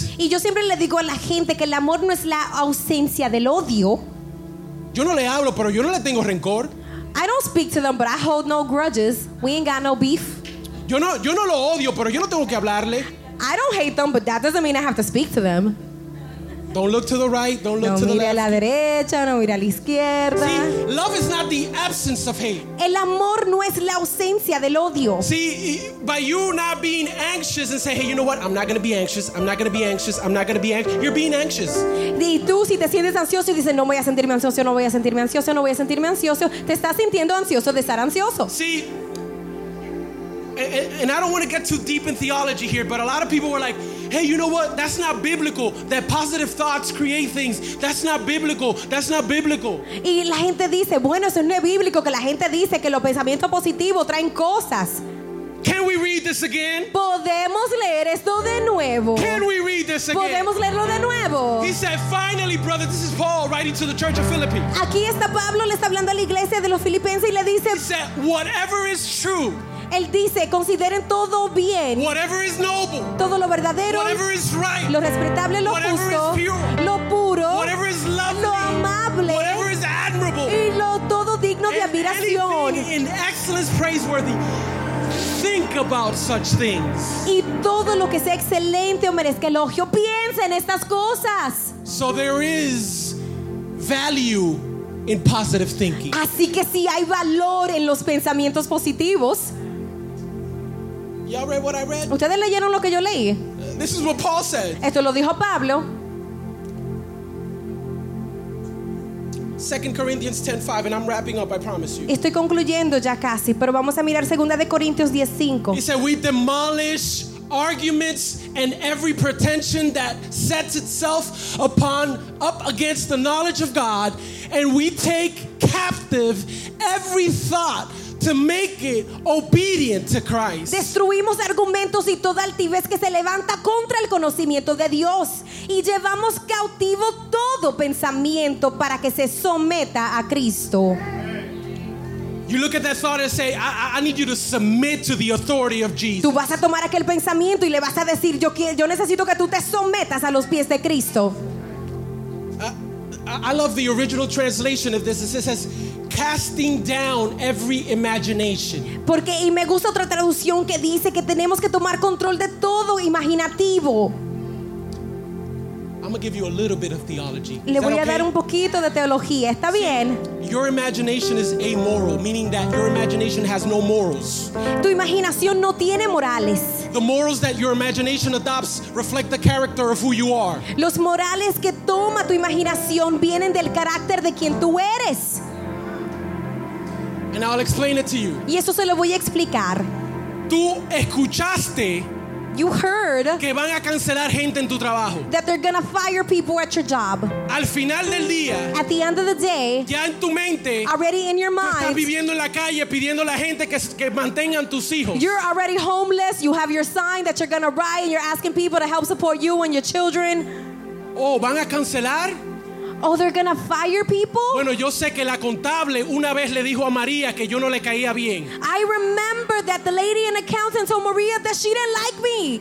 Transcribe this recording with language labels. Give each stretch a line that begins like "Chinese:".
Spanish: Y yo siempre le digo a la gente que el amor no es la ausencia del odio. Yo no le hablo, pero yo no le tengo rencor.
English: I don't speak to them, but I hold no grudges. We ain't got no beef.
Spanish: Yo no lo odio, pero yo no tengo que hablarle.
English: I don't hate them, but that doesn't mean I have to speak to them. Don't look to the right, don't look
Spanish: no
English: to the left.
Spanish: No mire a la derecha, no mire a la izquierda.
English: See, love is not the absence of hate.
Spanish: El amor no es la ausencia del odio.
English: See, by you not being anxious and say, hey, you know what? I'm not going to be anxious. I'm not going to be anxious. I'm not going to be anxious. You're being anxious.
Spanish: Y tú si te sientes ansioso y dices, no voy a sentirme ansioso, no voy a sentirme ansioso, no voy a sentirme ansioso, te estás sintiendo ansioso de estar ansioso.
English: See, and I don't want to get too deep in theology here, but a lot of people were like, hey, you know what? That's not biblical. That positive thoughts create things. That's not biblical. That's not biblical.
Spanish: Y la gente dice, bueno, eso no es bíblico, que la gente dice que los pensamientos positivos traen cosas.
English: Can we read this again?
Spanish: Podemos leer esto de nuevo.
English: Can we read this again?
Spanish: Podemos leerlo de nuevo.
English: He said, finally, brother, this is Paul writing to the church of Philippi.
Spanish: Aquí está Pablo, le está hablando a la iglesia de los filipenses y le dice,
English: he said, whatever is true.
Spanish: Él dice, consideren todo bien.
English: Whatever is noble.
Spanish: Todo lo verdadero.
English: Whatever is right.
Spanish: Lo respetable, lo
English: whatever
Spanish: justo.
English: Whatever is pure.
Spanish: Lo puro.
English: Whatever is lovely.
Spanish: Lo amable.
English: Whatever is admirable.
Spanish: Y lo todo digno
English: and
Spanish: de admiración.
English: Anything in excellence praiseworthy. Think about such things.
Spanish: Y todo lo que sea excelente o merezca elogio, piensa en estas cosas.
English: So there is value in positive thinking.
Spanish: Así que sí hay valor en los pensamientos positivos.
English: Y'all read what I read?
Spanish: ¿Ustedes leyeron lo que yo leí?
English: This is what Paul said.
Spanish: Esto lo dijo Pablo.
English: 2 Corinthians 10:5, and I'm wrapping up, I promise you.
Spanish: Estoy concluyendo ya casi, pero vamos a mirar 2 Corintios 10:5.
English: He said, we demolish arguments and every pretension that sets itself up against the knowledge of God, and we take captive every thought to make it obedient to Christ.
Spanish: Destruimos argumentos y toda altivez que se levanta contra el conocimiento de Dios, y llevamos cautivo todo pensamiento para que se someta a Cristo.
English: You look at that thought and say, I need you to submit to the authority of Jesus.
Spanish: Tú vas a tomar aquel pensamiento y le vas a decir, yo necesito que tú te sometas a los pies de Cristo.
English: I love the original translation of this. It says, casting down every imagination.
Spanish: Porque y me gusta otra traducción que dice que tenemos que tomar control de todo imaginativo.
English: I'm going to give you a little bit of theology. Is
Spanish: le voy
English: okay?
Spanish: a dar un poquito de teología. Está
English: See,
Spanish: bien.
English: Your imagination is amoral, meaning that your imagination has no morals.
Spanish: Tu imaginación no tiene morales.
English: The morals that your imagination adopts reflect the character of who you are.
Spanish: Los morales que toma tu imaginación vienen del carácter de quien tú eres.
English: And I'll explain it to you.
Spanish: Y eso se lo voy a explicar. Tú escuchaste.
English: You heard.
Spanish: Que van a cancelar gente en tu trabajo.
English: That they're gonna fire people at your job.
Spanish: Al final del día.
English: At the end of the day.
Spanish: Ya en tu mente.
English: Already in your mind.
Spanish: Estás viviendo en la calle pidiendo a la gente que mantengan tus hijos.
English: You're already homeless. You have your sign that you're gonna write, and you're asking people to help support you and your children.
Spanish: Oh, van a cancelar.
English: Oh, they're gonna fire people?
Spanish: Bueno, yo sé que la contable una vez le dijo a María que yo no le caía bien.
English: I remember that the lady in accounting told Maria that she didn't like me.